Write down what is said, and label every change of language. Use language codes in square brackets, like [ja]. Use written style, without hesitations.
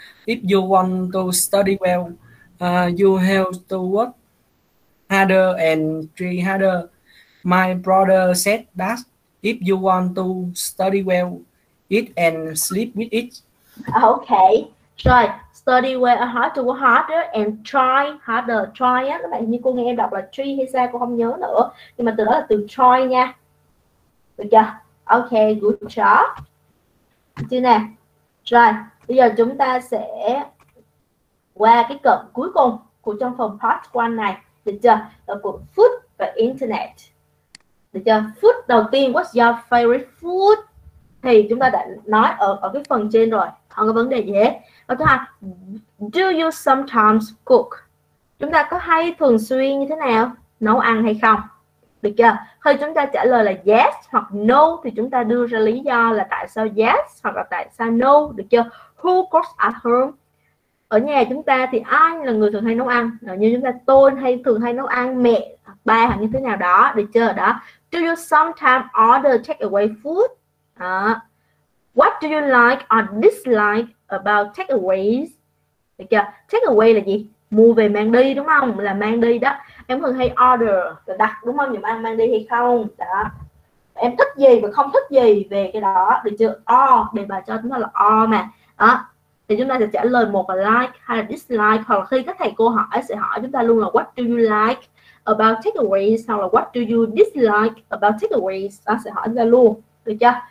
[en] If you want to study well, you have to work harder and try harder. My brother said that if you want to study well, eat and sleep with it. [vi] Ok, rồi. [en] study well hard to work harder and try harder. [vi] Try á, các bạn như cô nghe em đọc là try hay sao cô không nhớ nữa, nhưng mà từ đó là từ try nha, được chưa? [en] Ok, good job. [vi] Chưa nè, rồi bây giờ chúng ta sẽ qua cái cụm cuối cùng của trong phần part 1 này, được chưa? Là cụm food và internet, được chưa? Food đầu tiên, [en] what's your favorite food, [vi] thì chúng ta đã nói ở cái phần trên rồi, không có vấn đề gì hết. Câu thứ hai, [en] do you sometimes cook? [vi] Chúng ta có hay thường xuyên như thế nào nấu ăn hay không? Được chưa? Khi chúng ta trả lời là yes hoặc no thì chúng ta đưa ra lý do là tại sao yes hoặc là tại sao no, được chưa? [en] Who cooks at home? [vi] Ở nhà chúng ta thì ai là người thường hay nấu ăn? Nếu như chúng ta tôi hay thường hay nấu ăn, mẹ, ba hoặc như thế nào đó, được chưa? [en] Đó. Do you sometimes order takeaway food? À. What do you like or dislike about takeaways? [vi] Được chưa? Takeaway là gì? Mua về mang đi đúng không? Là mang đi đó. Em thường hay order là đặt đúng không? Nhưng mà mang đi hay không? Đó. Em thích gì và không thích gì về cái đó, được chưa? Or đề bài cho chúng ta là or mà. Đó. Thì chúng ta sẽ trả lời một là like hay là dislike, hoặc là khi các thầy cô hỏi sẽ hỏi chúng ta luôn là [en] what do you like about takeaways, [vi] hoặc là what do you dislike about takeaways, đó, sẽ hỏi chúng ta luôn, được chưa?